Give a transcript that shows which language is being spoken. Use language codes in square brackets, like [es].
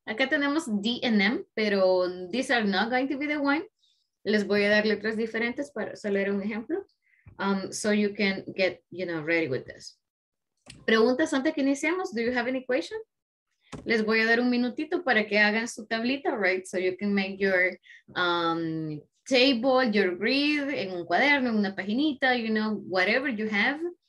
[es] Acá tenemos [en] D and M, pero these are not going to be the one. [es] Les voy a dar letras diferentes para solo era un ejemplo. [en] So you can get, you know, ready with this. [es] Preguntas antes que iniciemos. [en] Do you have any question? [es] Les voy a dar un minutito para que hagan su tablita, right? [en] So you can make your table, your grid, [es] en un cuaderno, en una paginita, [en] you know, whatever you have.